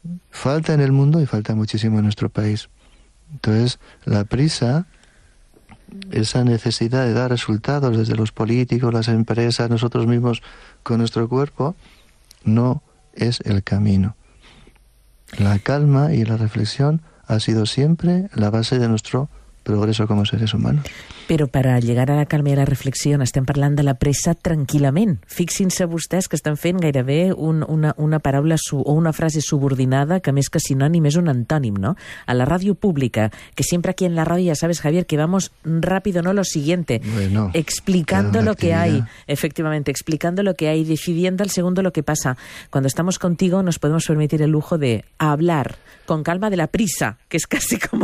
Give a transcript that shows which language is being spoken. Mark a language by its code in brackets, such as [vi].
[es] Falta en el mundo y falta muchísimo en nuestro país. Entonces, la prisa, esa necesidad de dar resultados desde los políticos, las empresas, nosotros mismos con nuestro cuerpo, no es el camino. La calma y la reflexión ha sido siempre la base de nuestro progreso como seres humanos. Pero para llegar a la calma [ca] i a la reflexió estem parlant de la pressa tranquil·lament. Fixin-se vostès que estan fent gairebé una paraula o una frase subordinada que més que sinònim és un antònim, no? A la ràdio pública, que sempre aquí en la ràdio, ja sabes, Javier, [es] que vamos rápido, no, lo siguiente. Bueno, explicando lo que hay, efectivamente, explicando lo que hay, decidiendo al segundo lo que pasa. Cuando estamos contigo nos podemos permitir el lujo de hablar con calma de la prisa, que es casi como,